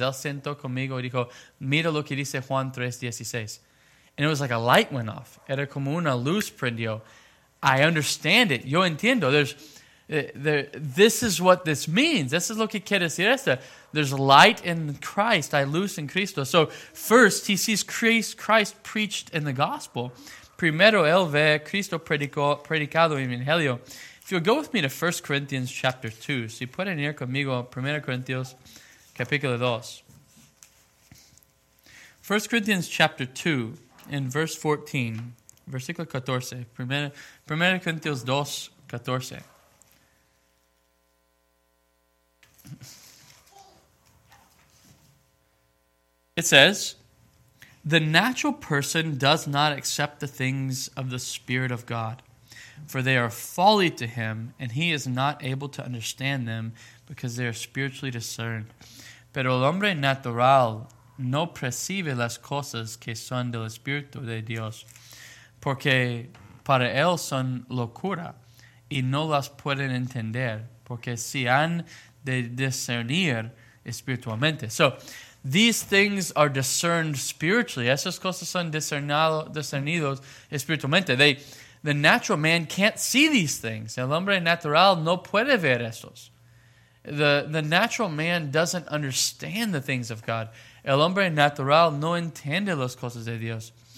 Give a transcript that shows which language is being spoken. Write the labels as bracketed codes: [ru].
[es] Él sentó conmigo y dijo, mira lo que dice Juan 3:16. [en] And it was like a light went off. [es] Era como una luz prendió. [en] I understand it. [es] Yo entiendo. [en] This is what this means. This is [es] lo que quiere decir esto. [en] There's light in Christ. [es] Hay luz en Cristo. [en] So first, he sees Christ preached in the gospel. [es] Primero, él ve Cristo predicado en el Evangelio. [en] If you'll go with me to 1 Corinthians chapter 2. [es] Si pueden ir conmigo, 1 Corinthians capítulo 2. [en] 1 Corinthians chapter 2, in verse 14, [es] versículo 14. [en] 1 Corinthians 2, 14. It says, the natural person does not accept the things of the Spirit of God, for they are folly to him, and he is not able to understand them because they are spiritually discerned. [es] Pero el hombre natural no percibe las cosas que son del Espíritu de Dios, porque para él son locura, y no las pueden entender, porque si han de discernir espiritualmente. [en] So, these things are discerned spiritually. [es] Esas cosas son discernidos espiritualmente. [en] The natural man can't see these things. [es] El hombre natural no puede ver estos. [en] The natural man doesn't understand the things of God. [es] El hombre natural no entiende las cosas de Dios.